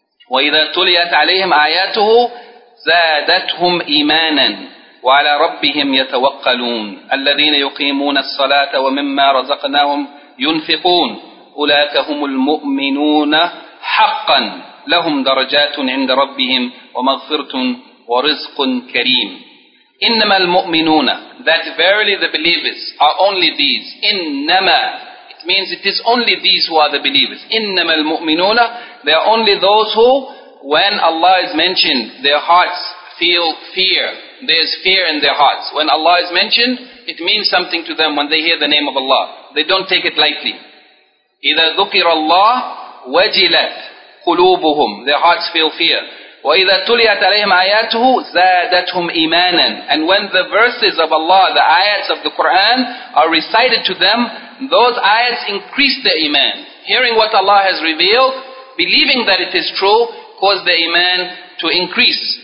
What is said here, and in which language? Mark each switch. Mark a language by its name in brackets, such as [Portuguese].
[Arabic] وَإِذَا تُلِيَتْ عَلَيْهِمْ آيَاتُهُ زَادَتْهُمْ إِيمَانًا وَعَلَى رَبِّهِمْ يَتَوَقَّلُونَ الَّذِينَ يُقِيمُونَ الصَّلَاةَ وَمِمَّا رَزَقْنَاهُمْ يُنْفِقُونَ أُولَٰئِكَ هُمُ الْمُؤْمِنُونَ حَقًّا لَهُمْ دَرَجَاتٌ عِنْدَ رَبِّهِمْ وَمَغْفِرَةٌ وَرِزْقٌ كَرِيمٌ. إِنَّمَا الْمُؤْمِنُونَ, [English] that verily the believers are only these. إِنَّمَا, it means it is only these who are the believers. [Arabic] إِنَّمَا الْمُؤْمِنُونَ, [English] they are only those who, when Allah is mentioned, their hearts feel fear. There is fear in their hearts. When Allah is mentioned, it means something to them when they hear the name of Allah. They don't take it lightly. [Arabic] إِذَا ذُكِرَ اللَّهُ وَجِلَتْ قُلُوبُهُمْ, [English] their hearts feel fear. [Arabic] وَإِذَا تُلِيَتْ عَلَيْهِمْ آيَاتُهُ زَادَتْهُمْ إِيمَانًا, [English] and when the verses of Allah, the ayats of the Qur'an, are recited to them, those ayats increase their iman. Hearing what Allah has revealed, believing that it is true, cause their iman to increase.